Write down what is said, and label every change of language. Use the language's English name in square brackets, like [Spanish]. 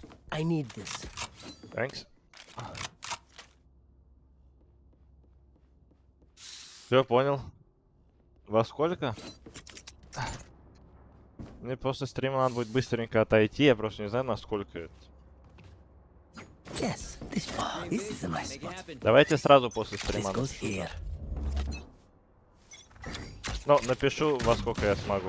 [English] I need this. Thanks. [Russian] Все понял. Во сколько? Мне просто стрима надо будет быстренько отойти, я просто не знаю, насколько это. [English] Yes, this, oh, this is a nice spot. [Russian] Давайте сразу после стрима. Но напишу, во сколько я смогу.